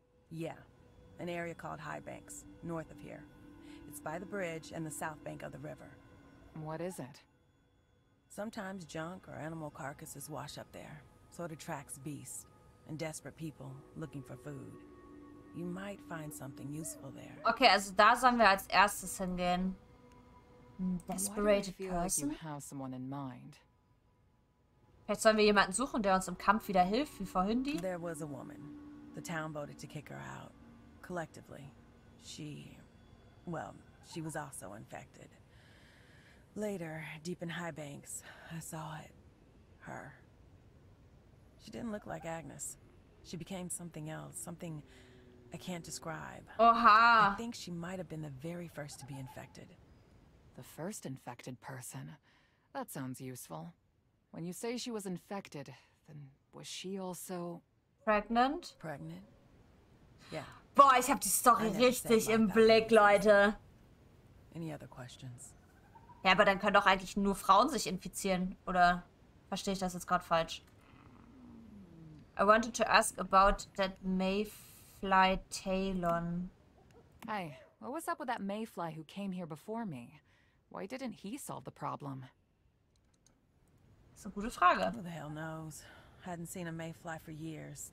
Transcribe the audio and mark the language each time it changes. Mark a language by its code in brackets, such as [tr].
[en] Yeah. An area called High Banks, north of here. It's by the bridge and the south bank of the river. What is it? Sometimes junk or animal carcasses wash up there. So it attracts beasts and desperate people looking for food. You might find something useful there. [de] Okay, also da sollen wir als erstes hingehen. [en] Desperate person? Like have someone in mind? [de] Jetzt sollen wir jemanden suchen, der uns im Kampf wieder hilft, wie vorhin die? [en] There was a woman. The town voted to kick her out. Collectively. She... Well, she was also infected. Later, deep in High Banks, I saw it. Her. She didn't look like Agnes. She became something else. Something... I can't describe. [de] Oha. [en] I think she might have been the very first to be infected. The first infected person? That sounds useful. When you say she was infected, then was she also... Pregnant? Pregnant. Yeah. [de] Boah, ich habe die Story richtig im Blick, Leute. [en] Any other questions? [de] Ja, aber dann können doch eigentlich nur Frauen sich infizieren, oder verstehe ich das jetzt gerade falsch? [en] I wanted to ask about that Mayfly Talon. Hey, what was up with that Mayfly who came here before me? Why didn't he solve the problem? [de] Das ist eine gute Frage. [en] Who the hell knows? Hadn't seen a Mayfly for years.